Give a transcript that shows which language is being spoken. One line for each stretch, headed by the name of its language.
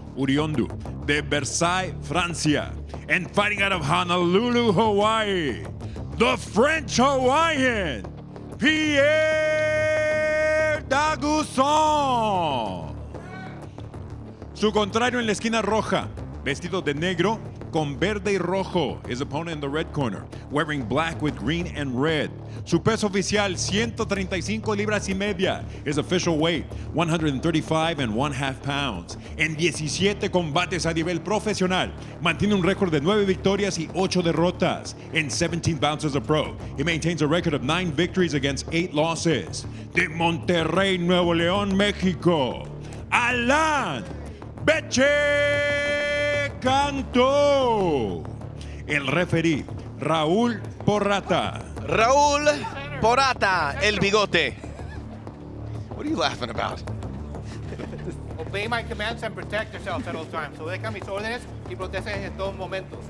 Spanish: Oriundo de Versailles, Francia.
English: And fighting out of Honolulu, Hawaii, the French Hawaiian, Pierre Daguzan.
Spanish: Su contrario en la esquina roja, vestido de negro con verde y rojo.
English: His opponent in the red corner, wearing black with green and red.
Spanish: Su peso oficial, 135 libras y media.
English: His official weight, 135.5 pounds.
Spanish: En 17 combates a nivel profesional, mantiene un récord de 9 victorias y 8 derrotas.
English: In 17 bouts as a pro, he maintains a record of 9 victories against 8 losses.
Spanish: De Monterrey, Nuevo León, México, Alan Betche Cantu. El referee, Raúl Porrata.
English: Raúl Porrata,
Spanish: el bigote.
English: What are you laughing about? Obey my commands and protect yourself at all times.
Spanish: So deja mis órdenes y protege en todos momentos.